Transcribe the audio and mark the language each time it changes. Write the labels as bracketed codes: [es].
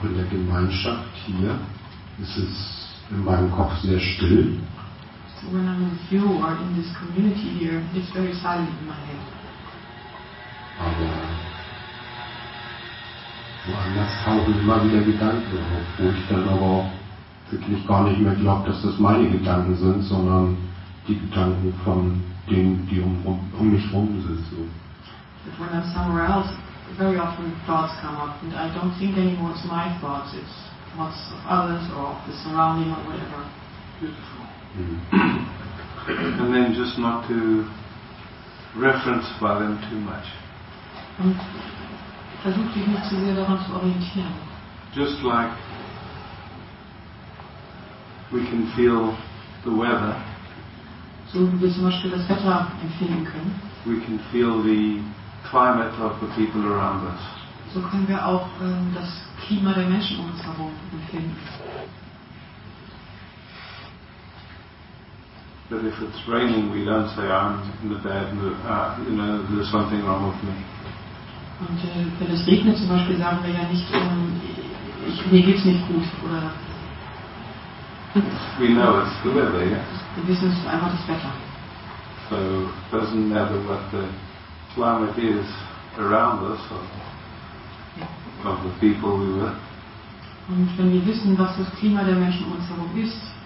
[de] Gemeinschaft hier, es ist in meinem Kopf sehr still. [en] So when I'm with you or in this community here, it's very silent in my head. [de] Aber woanders tauchen immer wieder Gedanken auf, wo ich dann aber auch wirklich gar nicht mehr glaube, dass das meine Gedanken sind, sondern die Gedanken von denen, die um mich herum sind. [en] So. But when I'm somewhere else, very often thoughts come up and I don't think anymore it's my thoughts, it's thoughts of others or of the surrounding or whatever. Beautiful. And then just not to reference by them too much. [de] Und versuch dich nicht zu sehr daran zu orientieren. [en] Just like we can feel the weather. [de] So wie wir zum Beispiel das Wetter empfinden können. [en] We can feel the climate of the people around us. [de] So können wir auch das Klima der Menschen um uns herum empfinden. [en] But if it's raining, we don't say I'm in a bad mood. You know, there's something wrong with me. [de] Und wenn es regnet zum Beispiel, sagen wir ja nicht, mir geht's nicht gut oder. [en] We know it's the weather, yeah. [de] Wir wissen, es ist einfach das Wetter. [en] So doesn't matter what the climate is around us of the people we were. [de] Und wenn wir wissen, was das Klima der Menschen um uns herum ist,